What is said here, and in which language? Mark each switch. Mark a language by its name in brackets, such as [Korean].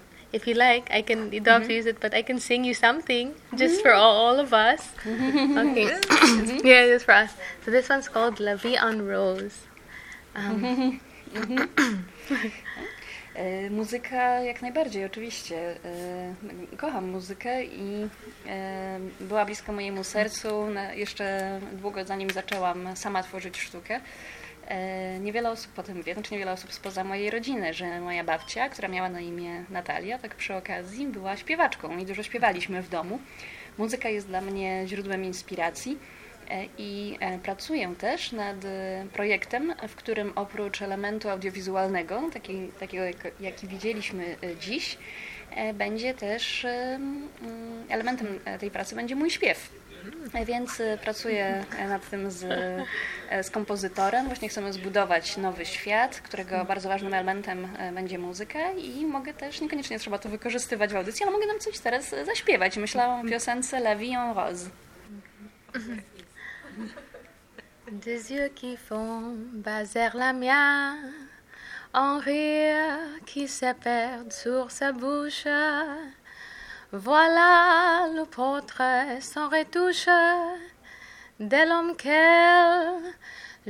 [English] If you like, I can, you don't have to use it, but I can sing you something just for all of us. Okay. Yeah, just for us. So this one's called La Vie en Rose. [Polish] Muzyka jak najbardziej, oczywiście. Kocham muzykę i była bliska mojemu sercu jeszcze długo zanim zaczęłam sama tworzyć sztukę. Niewiele osób potem wie, znaczy niewiele osób spoza mojej rodziny, że moja babcia, która miała na imię Natalia, tak przy okazji była śpiewaczką i dużo śpiewaliśmy w domu. Muzyka jest dla mnie źródłem inspiracji i pracuję też nad projektem, w którym oprócz elementu audiowizualnego, takiego jaki widzieliśmy dziś, będzie też elementem tej pracy będzie mój śpiew. Więc pracuję nad tym z kompozytorem. Właśnie chcemy zbudować nowy świat, którego bardzo ważnym elementem będzie muzyka i mogę też, niekoniecznie trzeba to wykorzystywać w audycji, ale mogę nam coś teraz zaśpiewać. Myślałam o piosence La Vie en Rose. [French] Des yeux qui font baser la mienne, un rire qui se perd sur sa bouche. Voilà le portrait sans retouche de l'homme qu'elle